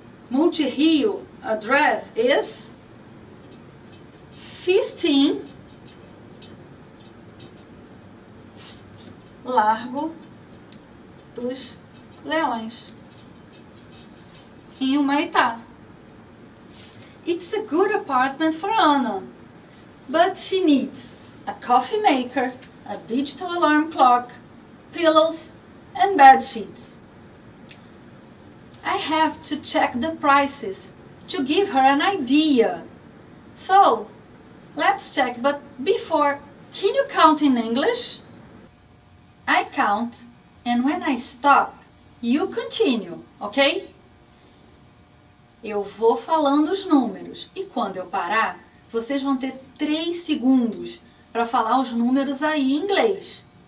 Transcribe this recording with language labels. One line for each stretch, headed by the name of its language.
English: MultiRio address is 15 Largo dos Leões, em Humaitá. It's a good apartment for Anna, but she needs a coffee maker, a digital alarm clock, pillows, and bed sheets. I have to check the prices to give her an idea. So, let's check, but before, can you count in English? I count, and when I stop, you continue, ok?
Portuguese: Eu vou falando os números, e quando eu parar, vocês vão ter 3 segundos para falar os números aí em inglês.